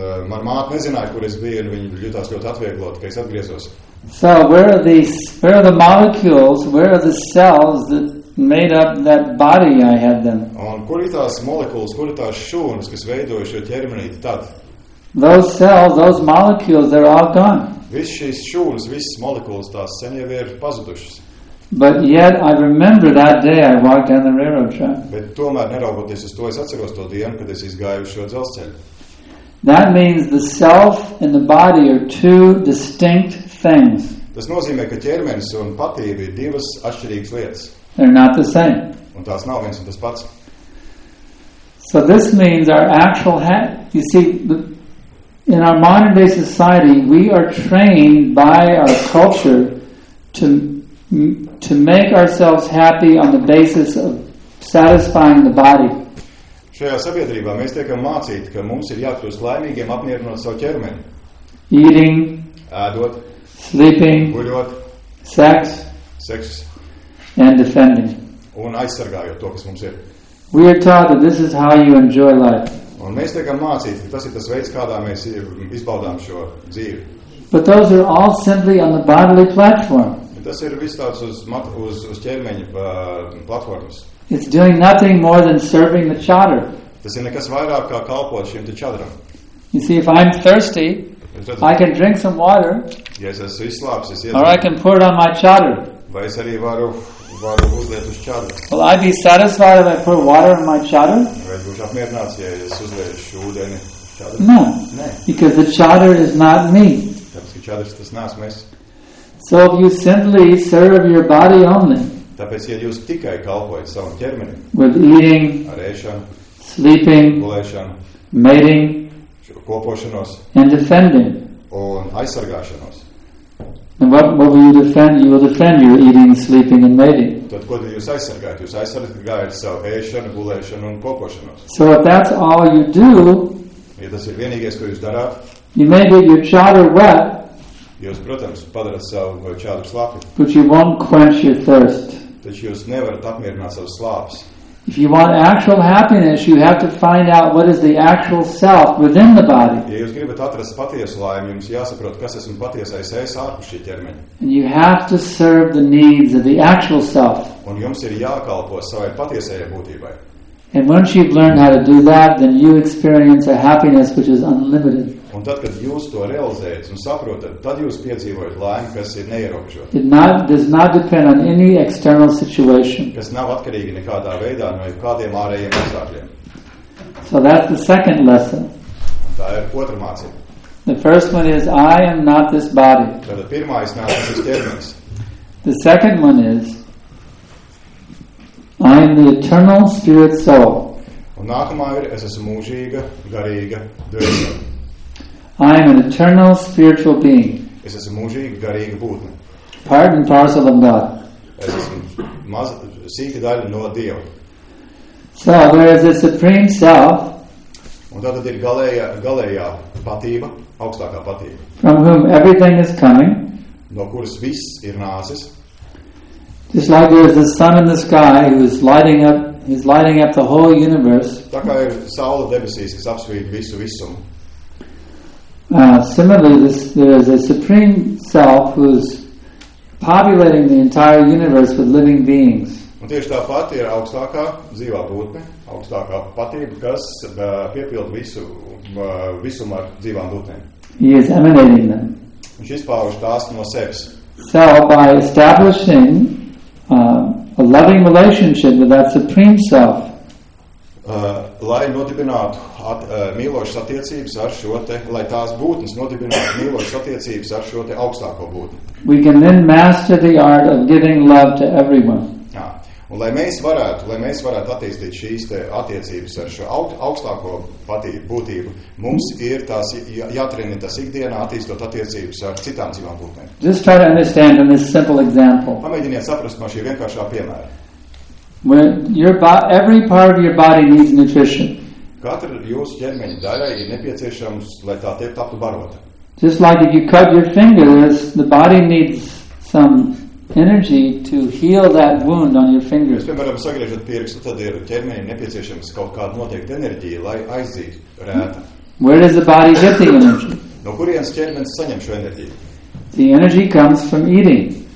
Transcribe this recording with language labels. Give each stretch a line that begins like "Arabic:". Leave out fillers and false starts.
Latvian: Man māte nezināja, kur es biju, un viņa jutās ļoti atvieglot, ka es atgriezos.
English: So, where are the molecules, where are the cells that made up that body I had then?
Latvian: Un kur ir tās molekulas, kur ir tās šūnas, kas veidoja šo ķermenīti tad?
English: Those cells, those molecules, they're all gone.
Latvian: Viss šīs šūnas, visas molekulas, tās sen jau ir pazudušas.
English: But yet, I remember that day I walked down the railroad track.
Latvian: Bet tomēr, neraugoties uz to, es atceros to dienu, kad es izgāju šo dzelzceļu.
English: That means the self and the body are two distinct things.
Latvian: Tas nozīmē, ka ķermenis un patība ir divas atšķirīgas lietas.
English: They're not the same.
Latvian: Un tās nav viens un tas pats.
English: So this means our actual you see, in our modern day society, we are trained by our culture to make ourselves happy on the basis of satisfying the body.
Latvian: Šajā sabiedrībā mēs tiekam mācīt, ka mums ir jākļūst laimīgiem apmierinot savu ķermeni.
English: Eating.
Latvian: Ēdot.
English: Sleeping.
Latvian: Guļot.
English: Sex.
Latvian: Seks.
English: And defending.
Latvian: Un aizsargājot to, kas mums ir.
English: We are taught that this is how you enjoy life.
Latvian: Un mēs tiekam mācīt, ka tas ir tas veids, kādā mēs izbaudām šo dzīvi.
English: But those are all simply on the bodily platform.
Latvian: Tas ir viss tāds uz ķermeņa platformas.
English: It's doing nothing more than serving the chatter.
Latvian: Tas ir nekas vairāk kā kalpot šim te čadram.
English: You see, if I'm thirsty, I can drink some water.
Latvian: Ja es esmu izslāps, es iedzinu.
English: Or I can pour it on my chatter.
Latvian: Vai es arī varu uzliet uz čadru.
English: Will I be satisfied if I pour water on my chatter?
Latvian: Vai es būšu apmierināts, ja es uzliešu ūdeni čadru?
English: No.
Latvian: Nē.
English: Because the chatter is not me.
Latvian: Tāpēc, ka čadrs tas neesmu es.
English: So if you simply serve your body only.
Latvian: Tāpēc, ja jūs tikai kalpojat savam ķermenim.
English: With eating.
Latvian: Ar ēšanu.
English: Sleeping.
Latvian: Gulēšanu.
English: Mating.
Latvian: Kopošanos.
English: And defending.
Latvian: Un aizsargāšanos.
English: And what will you defend? You will defend your eating, sleeping and mating.
Latvian: Tad, ko jūs aizsargājat? Jūs aizsargājat savu ēšanu, gulēšanu un kopošanos.
English: So if that's all you do.
Latvian: Ja tas ir vienīgais, ko jūs darāt.
English: You may get your chatter wet.
Latvian: Jūs, protams, padarat savu čādru slāpi.
English: But you won't quench your thirst.
Latvian: Taču jūs nevarat apmierināt savu slāpes.
English: If you want actual happiness, you have to find out what is the actual self within the body.
Latvian: Ja jūs gribat atrast patiesu laimi, jums jāsaprot, kas esmu patiesais es ārpus šī ķermeņa.
English: And you have to serve the needs of the actual self.
Latvian: Un jums ir jākalpo savai patiesajai būtībai.
English: And once you've learned how to do that, then you experience a happiness which is unlimited.
Latvian: Un tad, kad jūs to realizējat un saprotat, tad jūs piedzīvojat laimi, kas ir neierobežota.
English: It does not depend on any external situation.
Latvian: Kas nav atkarīgi nekādā veidā no kādiem ārējiem apstākļiem.
English: So that's the second lesson.
Latvian: Un tā ir otra mācība.
English: The first one is, I am not this body.
Latvian: Tātad pirmā es neesmu šis ķermenis.
English: The second one is, I am the eternal spirit soul.
Latvian: Un nākamā ir, es esmu mūžīga, garīga dvēsele.
English: I am an eternal spiritual being.
Latvian: Es esmu mūžīga, garīga būtne.
English: Part and parcel of God.
Latvian: Es esmu sīka daļa no Dieva.
English: So, there is the supreme self.
Latvian: Un tātad ir galējā patība, augstākā patība.
English: From whom everything is coming.
Latvian: No kuras viss ir nācis.
English: Just like there is the sun in the sky who is lighting up the whole universe.
Latvian: Tā kā ir saule debesīs, kas apsvīt visu visumu.
English: Similarly, there is a supreme self who is populating the entire universe with living beings.
Latvian: Un tieši tāpat ir augstākā dzīvā būtne, augstākā patība, kas piepilda visumu ar dzīvām būtnēm.
English: He is emanating them.
Latvian: Un šis pauž tās no sevis.
English: So, by establishing a loving relationship with that supreme self.
Latvian: Lai nodibinātu mīlošas attiecības ar šo te, lai tās būtnes nodibinātu mīlošas attiecības ar šo te augstāko būtni.
English: We can then master the art of giving love to everyone.
Latvian: Jā. Un lai mēs varētu attīstīt šīs te attiecības ar šo augstāko būtību, mums ir tās jātrenē tas ikdienā attīstot attiecības ar citām dzīvām būtnēm.
English: Just try to understand from this simple example.
Latvian: Pamēģiniet saprast no šī vienkāršā piemēra.
English: When every part of your body needs nutrition.
Latvian: Katra jūsu ķermeņa daļa ir nepieciešams, lai tā tiek taptu barota.
English: Just like if you cut your fingers, the body needs some energy to heal that wound on your fingers.
Latvian: Jūs, piemēram, sagriežat pirkstu, tad ir ķermeņa nepieciešams kaut kāda noteikta enerģija, lai aizdzītu rētu.
English: Where does the body get the energy?
Latvian: No kurienes ķermenis saņem šo enerģiju?
English: The energy comes from eating.